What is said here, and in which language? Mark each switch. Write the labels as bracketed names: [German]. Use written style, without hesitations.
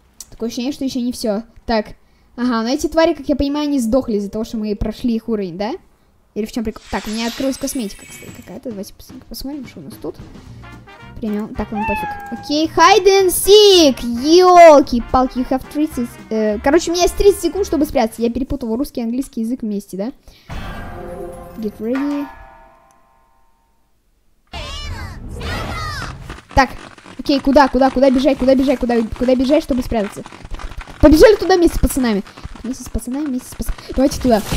[Russian] Такое ощущение, что еще не все. Так. Ага, но эти твари, как я понимаю, не сдохли из-за того, что мы прошли их уровень, да? Или в чем прикол? Так, у меня открылась косметика, кстати, какая-то. Давайте посмотрим, что у нас тут. Принял. Так, вам пофиг. [English] Окей, hide and seek! [Russian] Ёлки-палки, [English] you have 30... [Russian] Короче, у меня есть 30 секунд, чтобы спрятаться. Я перепутала русский и английский язык вместе, да? [English] Get ready. [Russian] Так, окей, куда бежать, чтобы спрятаться? Побежали туда вместе с пацанами. Вместе с пацанами. Давайте туда.